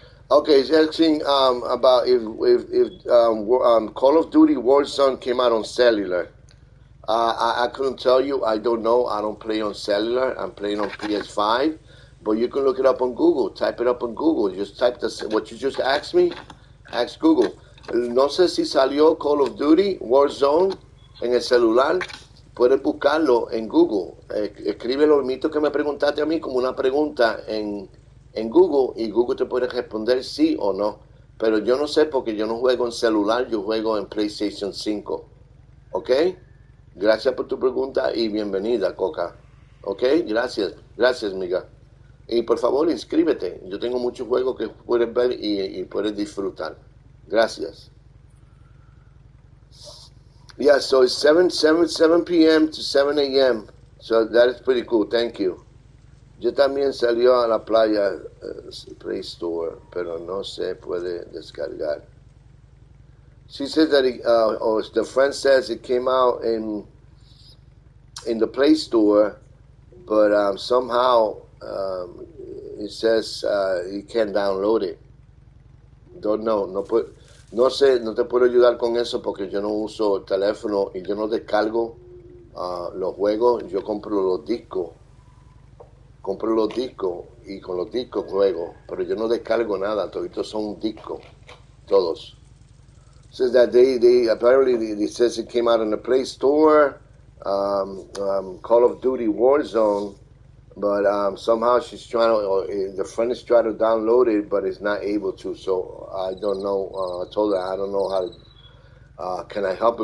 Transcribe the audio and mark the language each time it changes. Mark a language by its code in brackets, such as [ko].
[en] Okay, he's asking about if Call of Duty Warzone came out on cellular. I couldn't tell you. I don't know. I don't play on cellular. I'm playing on PS5. But you can look it up on Google. Type it up on Google. Just type what you just asked me. Ask Google. [es] No sé si salió Call of Duty Warzone en el celular. Puedes buscarlo en Google. Escribe lo mismo que me preguntaste a mí como una pregunta en Google, y Google te puede responder sí o no. Pero yo no sé, porque yo no juego en celular, yo juego en PlayStation 5. ¿Ok? Gracias por tu pregunta y bienvenida, Coca. ¿Ok? Gracias. Gracias, amiga. Y por favor, inscríbete. Yo tengo muchos juegos que puedes ver y puedes disfrutar. Gracias. [en] Yeah, so it's 7 p.m. to 7 a.m. So that is pretty cool. Thank you. [es] Yo también salió a la playa Play Store, pero no se puede descargar. [en] She says that the friend says it came out in the Play Store, but somehow it says you can't download it. Don't know. [es] No sé, no te puedo ayudar con eso porque yo no uso el teléfono y yo no descargo los juegos. Yo compro los discos. Compro los discos y con los discos juego, pero yo no descargo nada. Todos son discos, todos. [en] Says that they apparently they says it came out in the Play Store, Call of Duty Warzone, but somehow she's trying to, the friend is trying to download it, but it's not able to. So I don't know. I told her I don't know how. Can I help her?